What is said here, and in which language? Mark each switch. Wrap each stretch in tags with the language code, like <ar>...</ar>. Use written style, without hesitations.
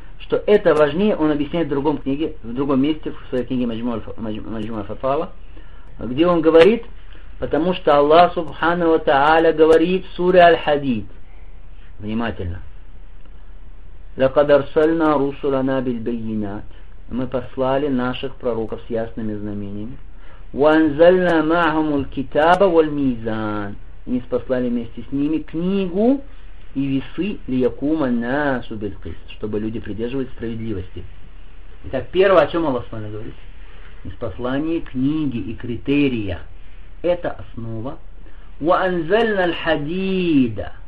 <ru>Что это важнее, он объясняет в другом книге, в другом месте, в своей книге Маджму аль-Фатава, где он говорит, потому что Аллах Субхану ва Тааля говорит в суре Аль-Хадид. Внимательно.</ru> <ar>لقد أرسلنا رسلنا بالبينات.</ar> <ru>Мы послали наших пророков с ясными знамениями.</ru> <ar>وأنزلنا معهم الكتاب والميزان.</ar> <ru>Мы послали вместе с ними книгу и весы,</ru> <ar>ليقوم الناس بالقسط,</ar> <ru>чтобы люди придерживались справедливости. Итак, первое, о чем Аллах Субхану говорит? Послание книги и критерия. Это основа.</ru> <ar>وأنزلنا الحديد.</ar>